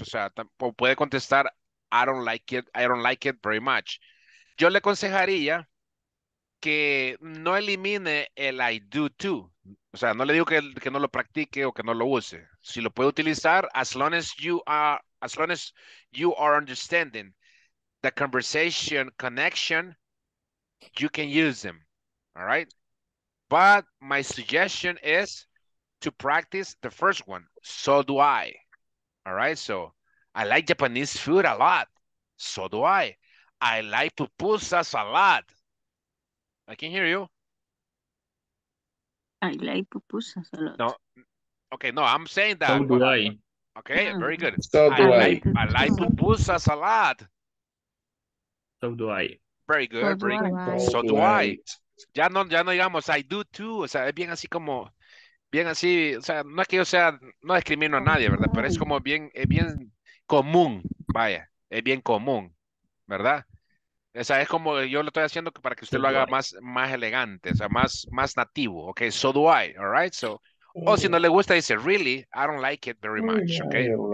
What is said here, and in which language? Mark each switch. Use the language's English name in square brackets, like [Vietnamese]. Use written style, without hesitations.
[Spanish] O sea, puede contestar, [English] I don't like it very much. [Spanish] Yo le aconsejaría que no elimine el [English] I do too. [Spanish] O sea, no le digo que no lo practique o que no lo use. Si lo puede utilizar, [English] as long as you are understanding the conversation connection, you can use them. All right? But my suggestion is to practice the first one. So do I. All right? So I like Japanese food a lot. So do I. I like pupusas a lot. I can hear you. I like pupusas a lot. No. Okay, no, I'm saying that. So do I. Okay, yeah. Very good. So do I. I like pupusas a lot. So do I. Very good, so very good. Like. So do I. [Spanish] Ya no digamos, [English] I do too. [Spanish] O sea, es bien así como, bien así, o sea, no es que yo sea, no discrimino a nadie, ¿verdad? Pero es como bien, es bien común, vaya, es bien común, ¿verdad? O sea, es como yo lo estoy haciendo para que usted lo haga más elegante, o sea, más nativo. [English] Okay, so do I, all right? So, [Spanish] o si no le gusta, dice, [English] really, I don't like it very much, okay?